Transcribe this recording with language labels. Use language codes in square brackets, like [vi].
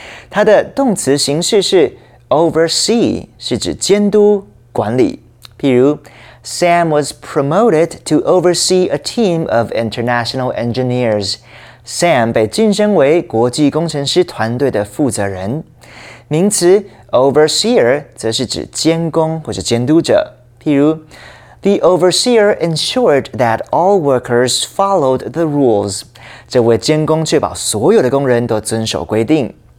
[zh] 它的动词形式是 oversee, 是指监督、管理。譬如 [en] ,Sam was promoted to oversee a team of international engineers. [zh] Sam 被晋升为国际工程师团队的负责人。名词 overseer 则是指监工或是监督者。譬如 [en] ,The overseer ensured that all workers followed the rules. [zh] 这位监工确保所有的工人都遵守规定。